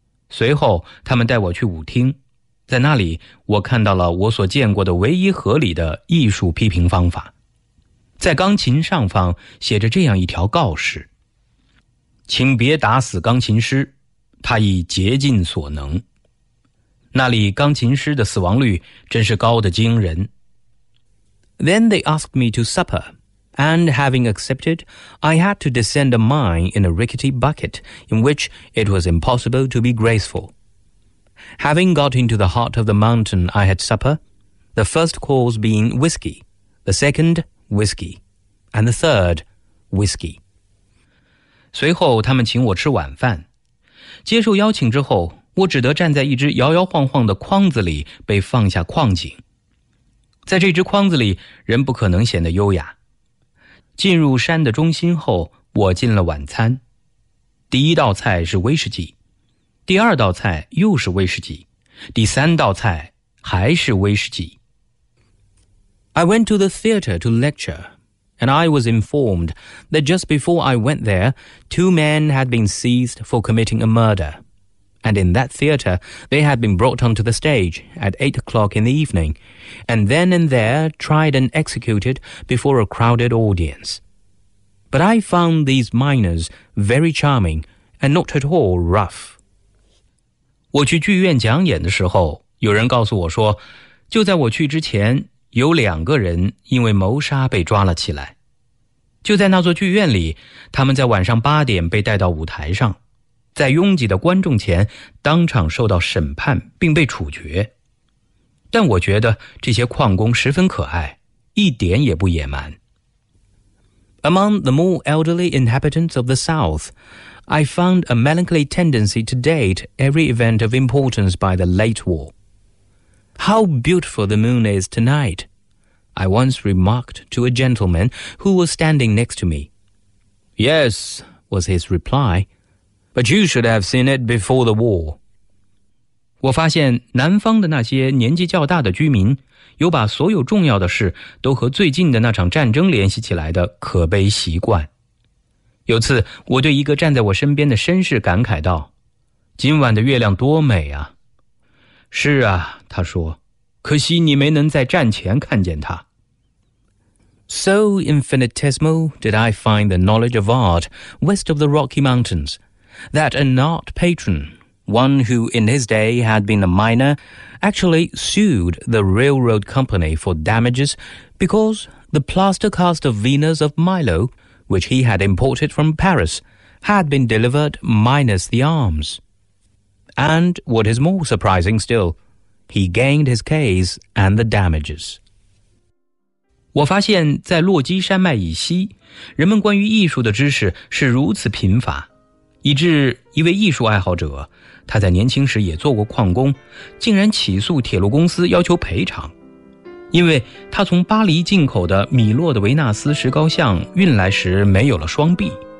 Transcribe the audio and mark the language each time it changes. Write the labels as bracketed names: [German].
[Chinese] 随后他们带我去舞厅，在那里我看到了我所见过的唯一合理的艺术批评方法。在钢琴上方写着这样一条告示，请别打死钢琴师，他已竭尽所能。那里钢琴师的死亡率真是高得惊人。 [English] Then they asked me to supper, and having accepted, I had to descend a mine in a rickety bucket in which it was impossible to be graceful. Having got into the heart of the mountain, I had supper, the first course being whiskey, the second whiskey, and the third whiskey. [Chinese] 随后他们请我吃晚饭。接受邀请之后，我只得站在一只摇摇晃晃的筐子里被放下矿井。在这只筐子里，人不可能显得优雅。进入山的中心后，我进了晚餐。第一道菜是威士忌，第二道菜又是威士忌，第三道菜还是威士忌。 [English] I went to the theater to lecture, and I was informed that just before I went there, two men had been seized for committing a murder, and in that theater, they had been brought onto the stage at 8 o'clock in the evening, and then and there tried and executed before a crowded audience. But I found these miners very charming and not at all rough. [Chinese] 我去剧院讲演的时候，有人告诉我说，就在我去之前，有两个人因为谋杀被抓了起来。就在那座剧院里，他们在晚上八点被带到舞台上，在拥挤的观众前当场受到审判并被处决。但我觉得这些矿工十分可爱，一点也不野蛮。 [English] Among the more elderly inhabitants of the South, I found a melancholy tendency to date every event of importance by the late war. How beautiful the moon is tonight, I once remarked to a gentleman who was standing next to me. Yes, was his reply, but you should have seen it before the war. [Chinese] 我发现南方的那些年纪较大的居民有把所有重要的事都和最近的那场战争联系起来的可悲习惯。有次我对一个站在我身边的绅士感慨道，今晚的月亮多美啊。是啊，他说，可惜你没能在战前看见它。 [English] So infinitesimal did I find the knowledge of art west of the Rocky Mountains, that an art patron, one who in his day had been a miner, actually sued the railroad company for damages because the plaster cast of Venus of Milo, which he had imported from Paris, had been delivered minus the arms. And what is more surprising still, he gained his case and the damages. [Chinese] 我发现在落基山脉以西，人们关于艺术的知识是如此贫乏，以致一位艺术爱好者，他在年轻时也做过矿工，竟然起诉铁路公司要求赔偿，因为他从巴黎进口的米洛的维纳斯石膏像运来时没有了双臂。